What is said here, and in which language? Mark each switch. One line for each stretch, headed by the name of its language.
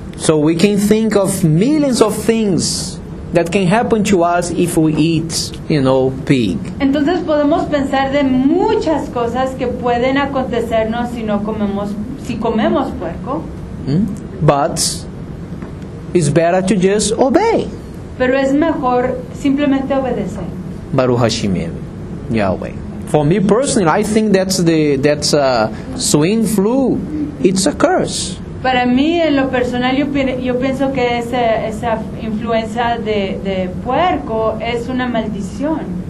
English: So we can think of millions of things that can happen to us if we eat, you know, pig.
Spanish: Entonces podemos pensar de muchas cosas que pueden acontecernos si no comemos, si comemos puerco.
English: But it's better to just obey.
Spanish: Pero es mejor simplemente obedecer.
Hebrew: Baruch Hashem, Yahweh.
English: For me personally, I think that's a swine flu. It's a curse.
Spanish: Para mí, en lo personal, yo pienso que esa influenza de puerco es una maldición.